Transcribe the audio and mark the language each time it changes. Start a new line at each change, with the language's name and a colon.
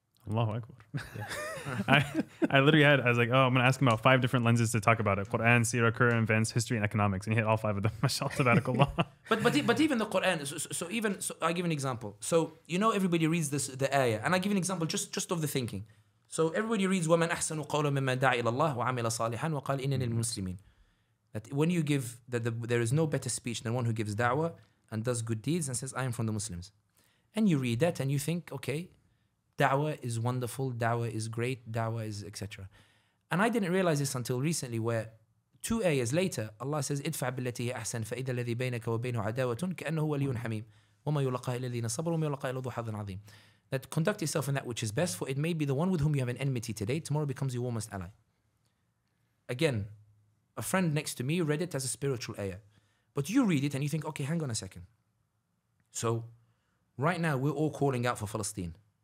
English: Allahu Akbar. Yeah. I was like, oh, I'm going to ask him about five different lenses to talk about it. Quran, seerah, current events, history, and economics. And he hit all five of them. Mashallah, sabbatical law. But even the Quran, so I give an example. So, you know, everybody reads this, the ayah. And I give an example just of the thinking. So everybody reads,
Arabic: وَمَنْ أَحْسَنُ قَوْلًا مِمَّنْ دَعِي إِلَى اللَّهِ وَعَمِلَ صَالِحًا وَقَالَ إِنَّنِ الْمُسْلِمِينَ.
English: That when you give, that there is no better speech than one who gives da'wah and does good deeds and says, I am from the Muslims. And you read that and you think, okay, da'wah is wonderful, da'wah is great, da'wah is etc. And I didn't realize this until recently, where 2 ayahs later, Allah says,
Arabic: اِدْفَعْ بِالَّتِي هِيَ أَحْسَن فَإِذَا الَّذِي بَيْنَكَ وَبَيْنُهُ عَدَاوَةٌ كَأَنَّهُ وَلِيٌّ حَمِيمٌ وَمَا يُلَقَّاهَا إِلَّا الَّذِينَ صَبَرُوا وَمَا يُلَقَّاهَا إِلَّا ذُو حَظٍّ عَظِيمٍ.
English: That conduct yourself in that which is best, for it may be the one with whom you have an enmity today, tomorrow becomes your warmest ally. Again, a friend next to me read it as a spiritual ayah. But you read it and you think, okay, hang on a second. So right now we're all calling out for Palestine.